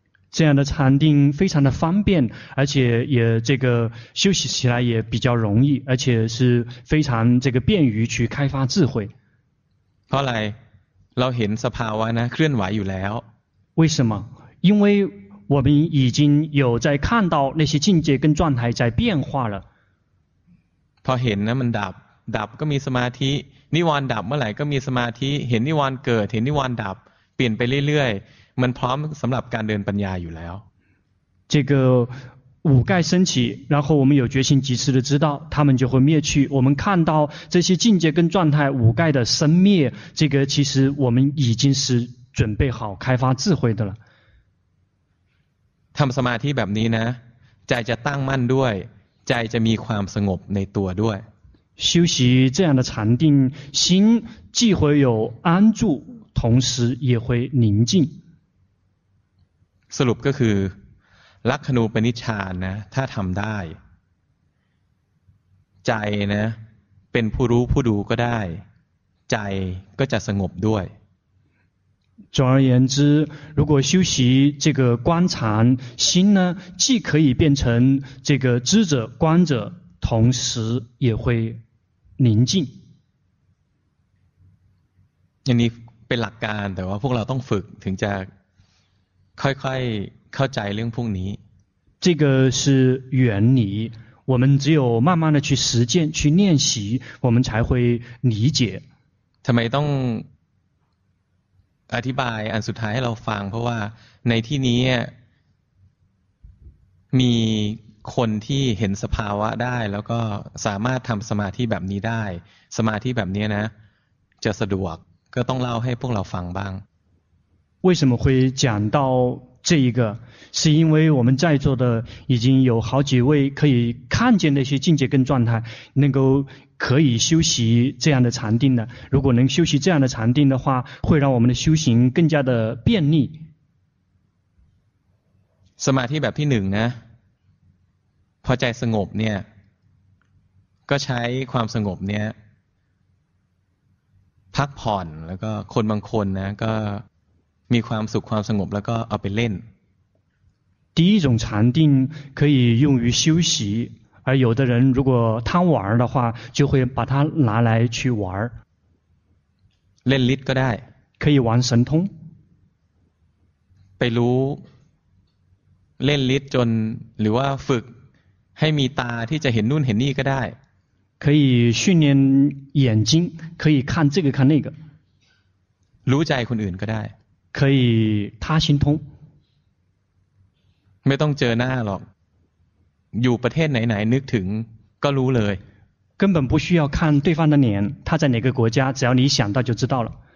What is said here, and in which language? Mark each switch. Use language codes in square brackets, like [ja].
[zh] 这样的禅定非常的方便而且也这个休息起来也比较容易而且是非常这个便于去开发智慧 [th] เพราะอะไรเราเห็นสภาวะนะเคลื่อนไหวอยู่แล้ว [zh] 为什么因为我们已经有在看到那些境界跟状态在变化了 [th] พอเห็นนะมันดับดับก็มีสมาธินิวรณ์ดับเมื่อไหร่ก็มีสมาธิเห็นนิวรณ์เกิดเห็นนิวรณ์ดับเปลี่ยนไปเรื่อยๆมันพร้อมสำหรับการเดินปัญญาอยู่แล้ว [zh] 这个五盖升起，然后我们有决心及时的知道，他们就会灭去。我们看到这些境界跟状态，五盖的生灭，这个其实我们已经是准备好开发智慧的了。 [th] ทำสมาธิแบบนี้นะ，ใจจะตั้งมั่นด้วย，ใจจะมีความสงบในตัวด้วย。 [zh] 修习这样的禅定，心既会有安住，同时也会宁静。 [th] สรุปก็คือลักขณูปนิชฌานนะถ้าทำได้ใจนะเป็นผู้รู้ผู้ดูก็ได้ใจก็จะสงบด้วย [zh] 总而言之，如果修习这个观禅心呢，既可以变成这个知者观者，同时也会宁静。 [th] อันนี้เป็นหลักการแต่ว่าพวกเราต้องฝึกถึงจะค่อยๆเข้าใจเรื่องพวกนี้ [zh] 这个是原理，我们只有慢慢的去实践去练习，我们才会理解。 [th] ทำไมต้องอธิบายอันสุดท้ายให้เราฟังเพราะว่าในที่นี้มีคนที่เห็นสภาวะได้แล้วก็สามารถทำสมาธิแบบนี้ได้สมาธิแบบนี้นะจะสะดวกก็ต้องเล่าให้พวกเราฟังบ้าง [zh] 为什么会讲到这一个是因为我们在座的已经有好几位可以看见那些境界跟状态能够可以修习这样的禅定的如果能修习这样的禅定的话会让我们的修行更加的便利 [th] สมาธิแบบที่หนึ่งนะพอใจสงบเนี่ยก็ใช้ความสงบเนี่ยพักผ่อนแล้วก็คนบางคนนะก็มีความสุขความสงบแล้วก็เอาไปเล่น [zh] 第一种禅定可以用于修习而有的人如果贪玩的话就会把它拿来去玩 [th] เล่นลิทก็ได้ [zh] 可以玩神通 [th] ไปรู้เล่นลิทจนหรือว่าฝึกให้มีตาที่จะเห็นนู่นเห็นนี่ก็ได้ [zh] 可以训练眼睛可以看这个看那个 [th] รู้ใจคนอื่นก็ได้ [zh] 可以他心通 [th] ไม่ต้องเจอหน้าหรอกอยู่ประเทศไหนๆนึกถึงก็รู้เลย [zh] 根本不需要看对方的脸他在哪个国家只要你想到就知道了